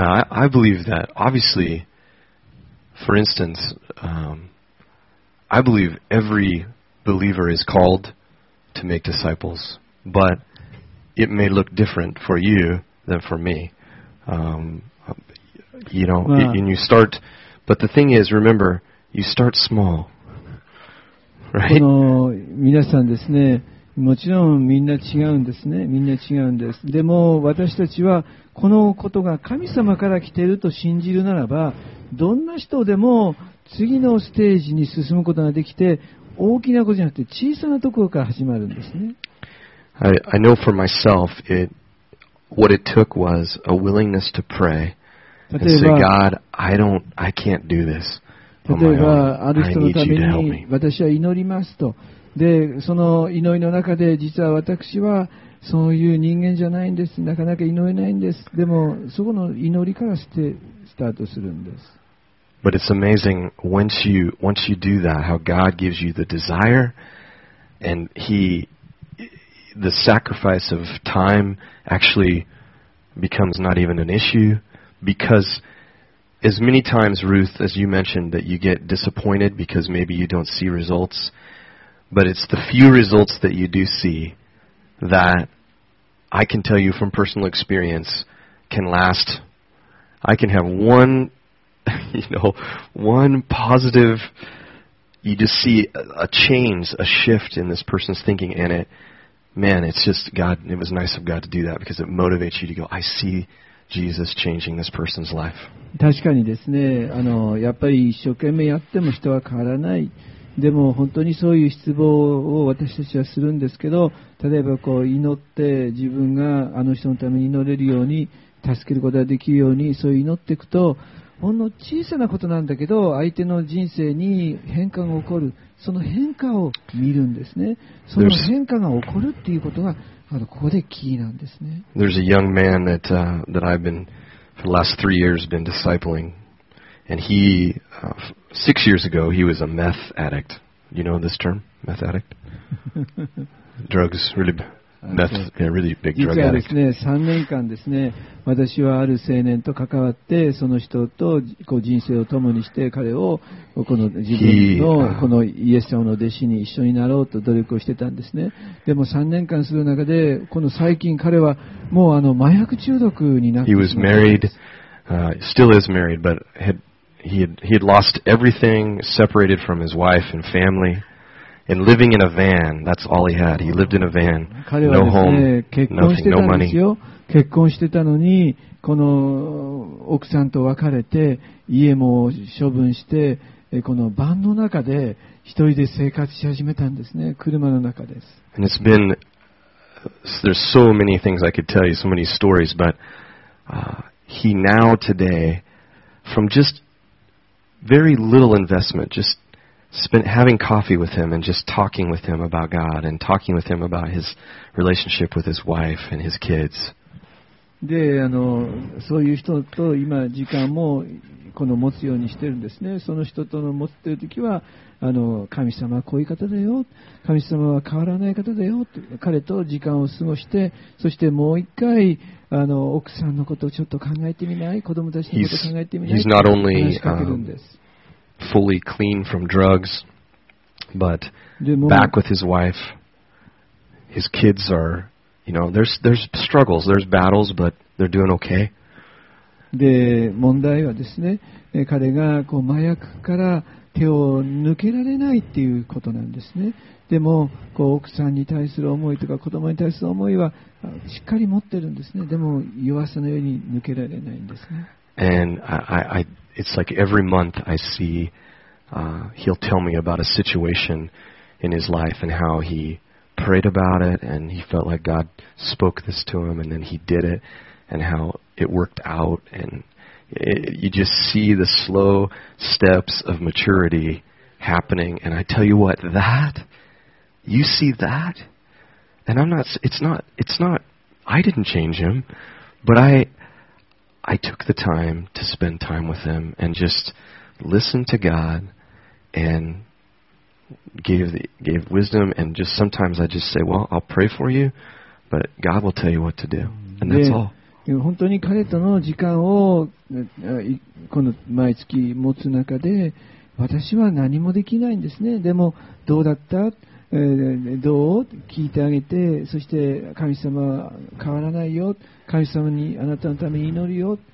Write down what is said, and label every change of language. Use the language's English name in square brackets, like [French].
[English] I believe that, obviously, for instance, I believe every believer is called to make disciples, but it may look different for you than for me. And you start, but the thing is, remember, you start small, right? [Japanese] この皆さんですね、もちろんみんな違うんですね。みんな違うんです。でも私たちはこのことが神様から来ていると信じるならば、どんな人でも次のステージに進むことができて、大きなことじゃなくて小さなところから始まるんですね。 [English] I know for myself, what it took was a willingness to pray and say, God, I can't do this. [Japanese] 例えばある人のために私は祈りますと。で、その祈りの中で、実は私はそういう人間じゃないんです。なかなか祈れないんです。でも、そこの祈りからしてスタートするんです。 [English] But it's amazing, once you do that, how God gives you the desire, and the sacrifice of time actually becomes not even an issue, because as many times, Ruth, as you mentioned, that you get disappointed because maybe you don't see results,But it's the few results that you do see that I can tell you from personal experience can last. I can have one positive, you just see a change, a shift in this person's thinking, and it was nice of God to do that because it motivates you to go, I see Jesus changing this person's life. [Japanese] 確かにですね、やっぱり一生懸命やっても人は変わらない。でも本当にそういう失望を私たちはするんですけど、例えばこう祈って自分があの人のために祈れるように、助けることができるように、そう祈っていくと、ほんの小さなことなんだけど相手の人生に変化が起こる。その変化を見るんですね。その変化が起こるっていうことがここでキーなんですね。 [English] There's a young man that I've been for the last 3 years been discipling. And he, 6 years ago, he was a meth addict. You know this term, meth addict? Drugs, really, meth, yeah, really big drug addict. [Japanese] 実はですね、3年間ですね、私はある青年と関わって、その人とこう人生を共にして、彼をこの自分のこのイエス様の弟子に一緒になろうと努力をしてたんですね。でも3年間する中で、この最近彼はもう麻薬中毒になって [English] He was married, still is married, but He had lost everything, separated from his wife and family, and living in a van. That's all he had. He lived in a van, no home, nothing, no money. [Japanese] 結婚してたのに、この奥さんと別れて、家も処分して、このバンの中で一人で生活し始めたんですね。車の中です。 [English] And it's been, there's so many things I could tell you, so many stories, but he now today, from just... Very little investment, just spent having coffee with him and just talking with him about God and talking with him about his relationship with his wife and his kids. [Japanese] で、そういう人と今時間もこの持つようにしてるんですね。その人との持ってる時は、神様はこういう方だよ。神様は変わらない方だよ。彼と時間を過ごして、そしてもう一回、奥さんのことをちょっと考えてみない、子供たちのことを考えてみない。 [English] He's not only fully clean from drugs, but back with his wife. His kids are, there's struggles, there's battles, but they're doing okay. [Japanese] で、問題はですね、彼がこう麻薬から手を抜けられないっていうことなんですね。でもこう奥さんに対する思いとか子供に対する思いはしっかり持ってるんですね。でも弱さのように抜けられないんですね。 [English] And I it's like every month I see he'll tell me about a situation in his life and how he prayed about it and he felt like God spoke this to him and then he did it and how it worked out andyou just see the slow steps of maturity happening, and I tell you what, that you see that, and I'm not. It's not. I didn't change him, but I took the time to spend time with him and just listen to God, and gave wisdom, and just sometimes I just say, well, I'll pray for you, but God will tell you what to do, and that's all. [Japanese] 本当に彼との時間をこの毎月持つ中で、私は何もできないんですね。でもどうだった、どう聞いてあげて、そして神様は変わらないよ、神様にあなたのために祈るよ、